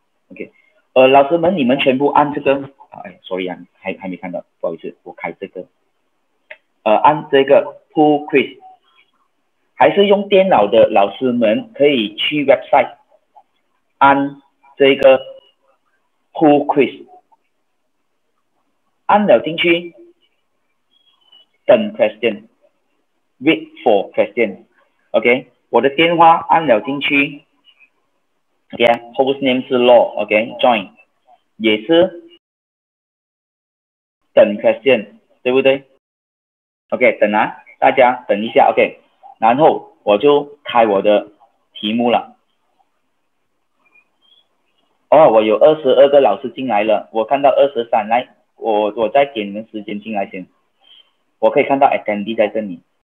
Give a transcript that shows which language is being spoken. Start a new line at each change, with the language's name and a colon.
Chinese: OK, 老师们，你们全部按这个，哎 ，sorry 啊，还没看到，不好意思，我开这个，按这个 pull quiz, 还是用电脑的老师们可以去 website 按这个 pull quiz, 按了进去，等 question。
English: Wait for question, OK?
Chinese: 我的电话按了进去 OK, host name 是 law, OK? Join, 也是等 question, 对不对？ OK, 等啊，大家等一下 OK, 然后我就开我的题目了。哦，我有22个老师进来了，我看到23来，我再给你们时间进来先，我可以看到 attendee 在这里。